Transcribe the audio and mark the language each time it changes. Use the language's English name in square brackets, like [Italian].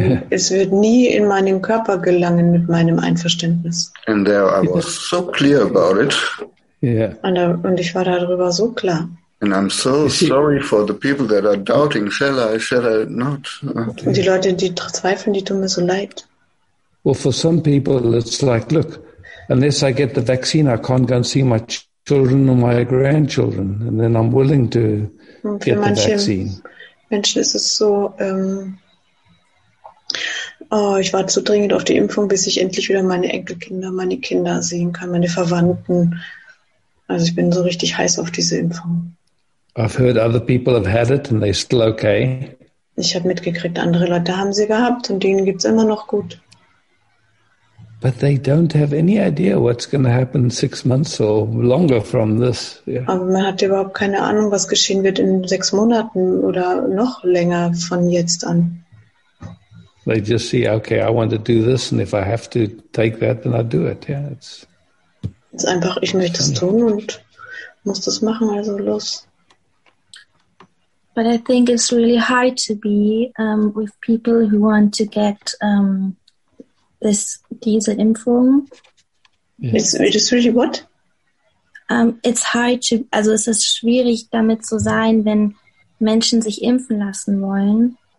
[German] Es wird nie in meinen Körper gelangen mit meinem Einverständnis. [English] And there I was so clear about it. Yeah. [German] Und ich war darüber so klar. [English] And I'm so sorry for the people that are doubting, shall I not? Okay. [German] Und die Leute, die zweifeln, die tun mir so leid. [English] Well, for some people, it's like, look, unless I get the vaccine, I can't go and see my children or my grandchildren, and then I'm willing to get the vaccine. [German] Für manche Menschen ist es so, ich warte so dringend auf die Impfung, bis ich endlich wieder meine Enkelkinder, meine Kinder sehen kann, meine Verwandten. Also ich bin so richtig heiß auf diese Impfung. [English] I've heard other people have had it and they're still okay. [German] Ich habe mitgekriegt, andere Leute haben sie gehabt und denen geht's immer noch gut. [English] But they don't have any idea what's going to happen 6 months or longer from this. Yeah. [German] Aber man hat überhaupt keine Ahnung, was geschehen wird in 6 Monaten oder noch länger von jetzt an. [English] They just see, okay, I want to do this and if I have to take that, then I do it. Yeah, it's... [German] Es ist einfach, ich möchte es tun und muss das machen, also los. [English] But I think it's really hard to be with people who want to get [German] diese Impfung. [English] Yes. It's really what? It's hard to, [German] also es ist schwierig damit zu sein, wenn Menschen sich impfen lassen wollen.